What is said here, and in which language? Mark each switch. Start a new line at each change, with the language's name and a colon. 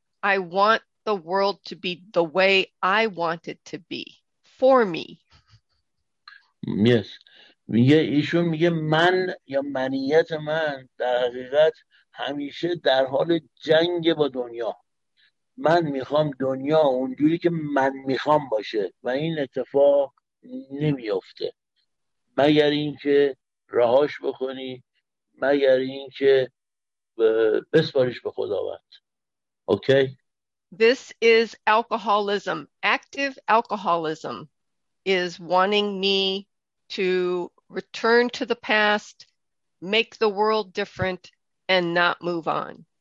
English: I want the world to be the way I want it to be for me. Yes.
Persian: میگه ایشون میگه من یا منیت من در حقیقت همیشه در حال جنگ با دنیا. من میخوام دنیا اونجوری که من میخوام باشه و این اتفاق نمیفته مگر اینکه رهاش بکنی، مگر اینکه بسپاریش به خداوند. اوکی؟
English: This is alcoholism. Active alcoholism is wanting me to return to the past, make the world different and not move on.